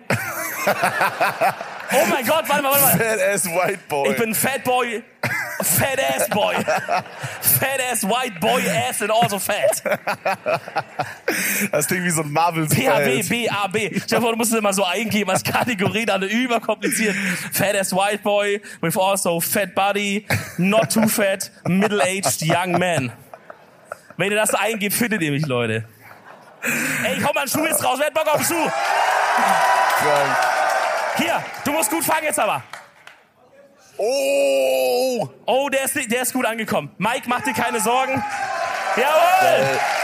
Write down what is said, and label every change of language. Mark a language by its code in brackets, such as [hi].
[de] Oh mein Gott, warte mal. [en] Fat Ass White Boy. [de] Ich bin [en] Fat Boy. Fat Ass Boy. Fat Ass White Boy Ass and also fat. [de] Das klingt wie so ein Marvel-Fan. B-A-B, B-A-B. Ich glaube, du musst es immer so eingeben als Kategorie, dann überkompliziert. [en] Fat Ass White Boy with also fat body, not too fat, middle-aged young man. [de] Wenn ihr das eingebt, findet ihr mich, Leute. Ey, komm mal, ein Schuh ist raus. Wer hat Bock auf den Schuh? Krank. Hier, du musst gut fangen jetzt aber. Oh! Oh, der ist gut angekommen. Mike, mach dir keine Sorgen. Jawohl!